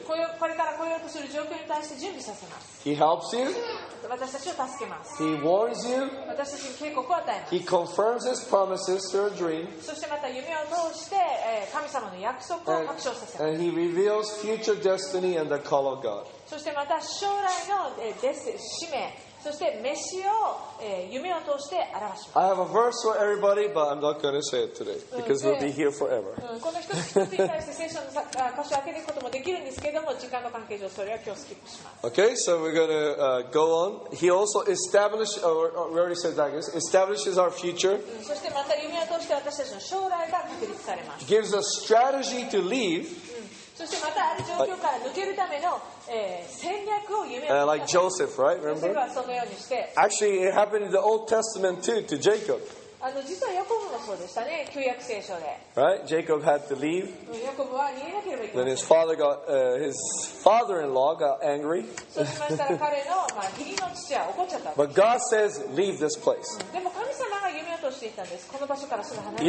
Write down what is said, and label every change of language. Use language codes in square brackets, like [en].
[ja] これから来ようとする状況に対して準備させます。 [en] He helps you. [ja] 私たちを助けます。 [en] He warns you. [ja] 私たちに警告を与えます。 [en] He confirms his promises through a dream. [ja] そしてまた夢を通して神様の約束を確証させます。 [en] And he reveals future destiny and the call of God. [ja] そしてまた将来の使命、そして召しを夢を通して表します。 [en] I have a verse for everybody, but I'm not going to say it today because we'll be here forever. [ja] この一つ一つに対して聖書の箇所を開けていくこともできるんですけれども、時間の関係上それは今日スキップします。 [en] Okay, so we're going to go on. He also establishes, or we already said that, establishes our future. [ja] そしてまた夢を通して私たちの将来が確立されます。 [en] Gives us strategy to leave. [ja] そしてまたある状況から抜けるための、戦略を夢 [en] を like Joseph, right? Remember? [ja] ヨセフはそのようにして [en] Actually, it happened in the Old Testament too, to Jacob. [ja] 実はヤコブもそうでしたね、旧約聖書で。 [en] Right? Jacob had to leave. [ja] ヤコブは逃げなければいけない。 [en] Then his father got, his father-in-law got angry. [ja] そしてましたら彼の、義理の父は怒っちゃった。 [en] But God says, leave this place. [ja] でも神様が夢を通していたんです。この場所からすぐ離れて。